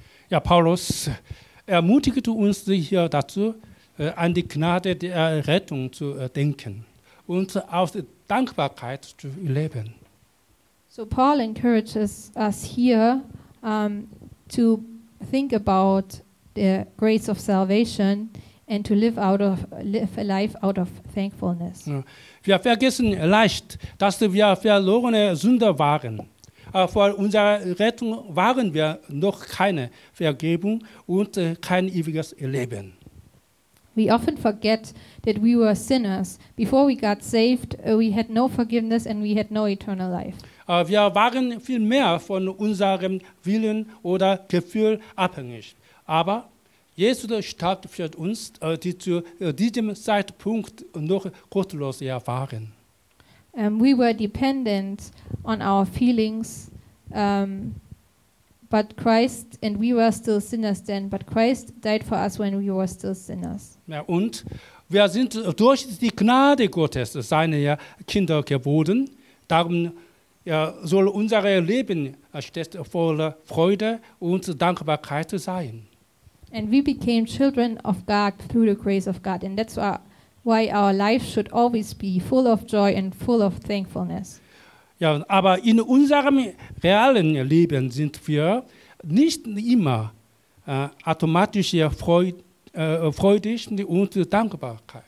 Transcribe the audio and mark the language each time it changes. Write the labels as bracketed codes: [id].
[de] Ja, Paulus ermutigt uns hier dazu, an die Gnade der Rettung zu denken und aus Dankbarkeit zu leben. [en] So Paul encourages us here to think about the grace of salvation and to live a life out of thankfulness. [de] Wir vergessen leicht, dass wir verlorene Sünder waren. Vor unserer Rettung waren wir noch keine Vergebung und kein ewiges Leben. [en] We often forget that we were sinners. Before we got saved, we had no forgiveness and we had no eternal life. [de] Wir waren viel mehr von unserem Willen oder Gefühl abhängig. Aber Jesus starb für uns, die zu diesem Zeitpunkt noch gottlos waren. [en] We were dependent on our feelings, but Christ, and we were still sinners then, but Christ died for us when we were still sinners. [de] Ja, und wir sind durch die Gnade Gottes seine Kinder geworden. Darum soll unser Leben stets voller Freude und Dankbarkeit sein. [en] And we became children of God through the grace of God. And that's why our life should always be full of joy and full of thankfulness. [de] Ja, aber in unserem realen Leben sind wir nicht immer automatisch freudig und dankbar.